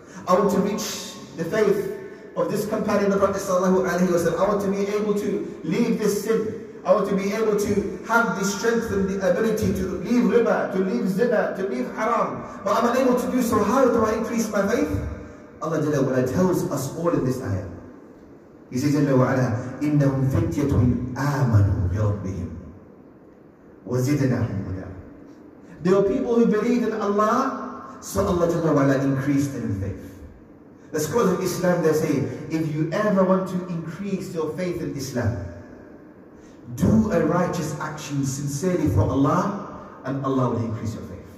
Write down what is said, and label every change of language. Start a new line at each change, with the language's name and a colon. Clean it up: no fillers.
English: I want to reach the faith of this companion of Prophet sallallahu alayhi wa sallam. I want to be able to leave this sin. I want to be able to have the strength and the ability to leave riba, to leave zina, to leave haram. But I'm unable to do so. How do I increase my faith? Allah Jalla Wa'ala tells us all in this ayah. He says, Jalla Wa'ala,
Arabic: إِنَّهُمْ فِتْيَةٌ آمَنُوا بِرَبِّهِمْ وَزِدْنَاهُمْ هُدًى.
English: There are people who believe in Allah, so Allah Jalla Wa'ala increased them in faith. The scholars of Islam, they say, if you ever want to increase your faith in Islam, do a righteous action sincerely for Allah, and Allah will increase your faith.